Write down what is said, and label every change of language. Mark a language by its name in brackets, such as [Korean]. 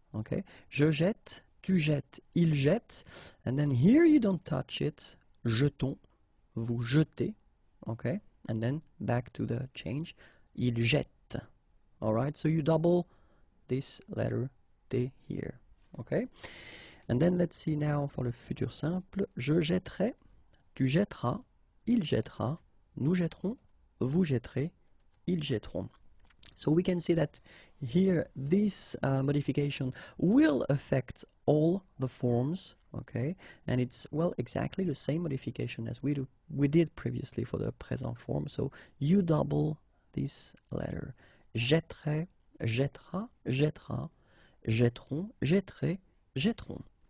[English] Okay, [French] je jette, tu jettes, il jette. [English] And then here you don't touch it, [French] jetons, vous jetez. [English] Okay, and then back to the change, [French] il jette. [English] Alright, so you double this letter T here. Okay. And then let's see now for [French] le futur simple. Je jetterai, tu jetteras, il jettera, nous jetterons, vous jetterez, ils jetteront. [English] So we can see that here this modification will affect all the forms, okay? And it's, well, exactly the same modification as we did previously for the present form. So you double this letter. [French] Jetterai, jettera, jettera, jetteront, jetterai, jetteront.